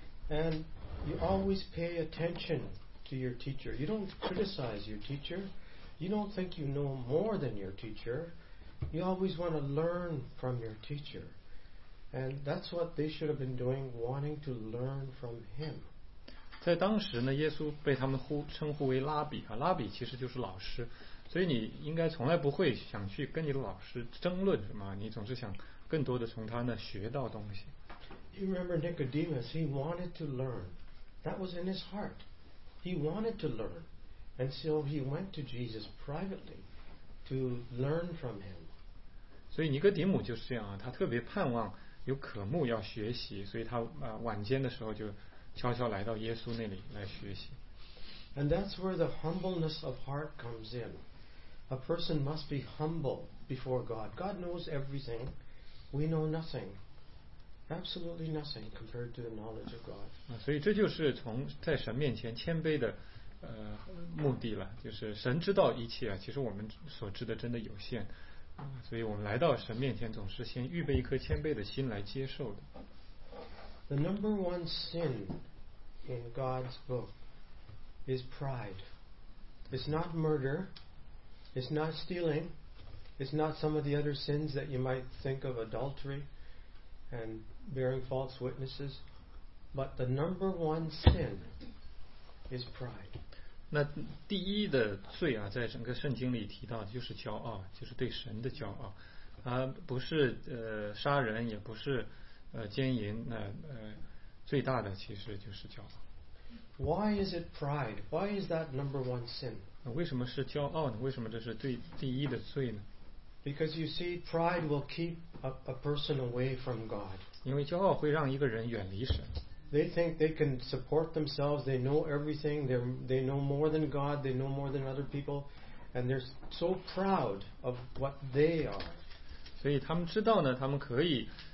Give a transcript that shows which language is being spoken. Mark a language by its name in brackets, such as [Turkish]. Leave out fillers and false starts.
[English] And you always pay attention to your teacher. You don't criticize your teacher. You don't think you know more than your teacher. You always want to learn from your teacher. And that's what they should have been doing, wanting to learn from him. [Chinese] 在当时呢，耶稣被他们称呼为拉比啊，拉比其实就是老师，所以你应该从来不会想去跟你的老师争论什么，你总是想更多的从他那学到东西。 [English] You remember Nicodemus? He wanted to learn. That was in his heart. He wanted to learn, and so he went to Jesus privately to learn from him. [Chinese] 所以尼哥底母就是这样啊，他特别盼望有渴慕要学习，所以他晚间的时候就。悄悄来到耶稣那里来学习。 [English] And that's where the humbleness of heart comes in. A person must be humble before God. God knows everything. We know nothing. Absolutely nothing compared to the knowledge of God. [Chinese] 所以这就是从在神面前谦卑的目的了，就是神知道一切啊，其实我们所知的真的有限。所以我们来到神面前总是先预备一颗谦卑的心来接受的。 [English] The number one sin in God's book is pride. It's not murder. It's not stealing. It's not some of the other sins that you might think of, adultery and bearing false witnesses. But the number one sin is pride. [Chinese] 那第一的罪啊，在整个圣经里提到的就是骄傲，就是对神的骄傲。啊，不是杀人，也不是。奸淫，那最大的其实就是骄傲。 [English] Why is it pride? Why is that number one sin? [Chinese] 为什么是骄傲呢？为什么这是最第一的罪呢？ [English] Because you see, pride will keep a person away from God. [Chinese] 因为骄傲会让一个人远离神。 [English] They think they can support themselves. They know everything. They know more than God. They know more than other people, and they're so proud of what they are. [Chinese] 所以他们知道呢，他们可以。